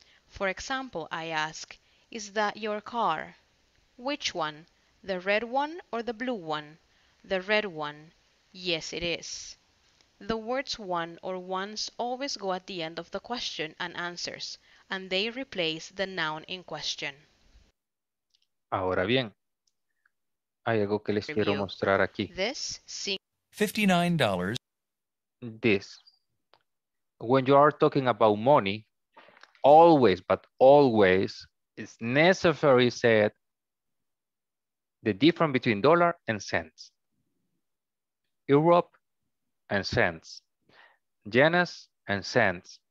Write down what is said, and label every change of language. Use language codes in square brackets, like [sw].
[en] For example, I ask, is that your car? Which one? The red one or the blue one? The red one. Yes, it is. The words one or once always go at the end of the question and answers, and they replace the noun in question. [es] Ahora bien, hay algo que les quiero mostrar aquí. [en] This, $59. This. When you are talking about money, always, but always, it's necessary said the difference between dollar and cents. Europe and cents. Yenes and cents.